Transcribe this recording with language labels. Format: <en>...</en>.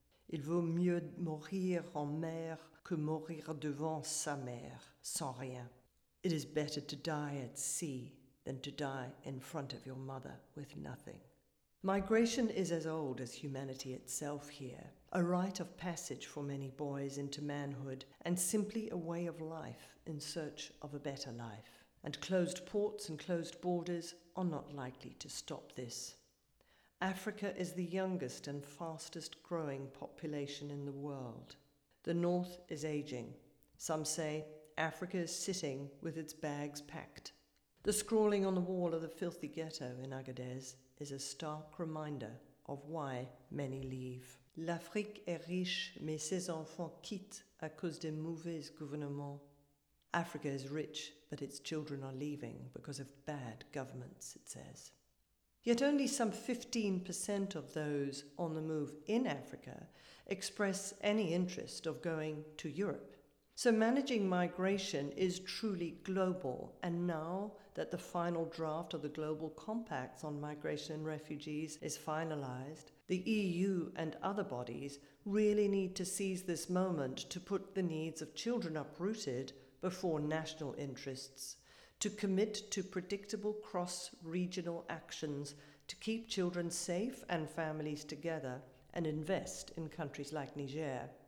<fr>Il vaut mieux mourir en mer que mourir devant sa mère, sans rien.</fr> <en>It is better to die at sea than to die in front of your mother with nothing. Migration is as old as humanity itself here, a rite of passage for many boys into manhood and simply a way of life in search of a better life. And closed ports and closed borders are not likely to stop this. Africa is the youngest and fastest growing population in the world. The North is aging. Some say Africa is sitting with its bags packed. The scrawling on the wall of the filthy ghetto in Agadez is a stark reminder of why many leave.</en> <fr>L'Afrique est riche, mais ses enfants quittent à cause des mauvais gouvernements.</fr> <en>Africa is rich, but its children are leaving because of bad governments, it says. Yet only some 15% of those on the move in Africa express any interest of going to Europe. So managing migration is truly global, and now that the final draft of the Global Compacts on Migration and Refugees is finalised, the EU and other bodies really need to seize this moment to put the needs of children uprooted before national interests, to commit to predictable cross-regional actions to keep children safe and families together, and invest in countries like Niger.</en>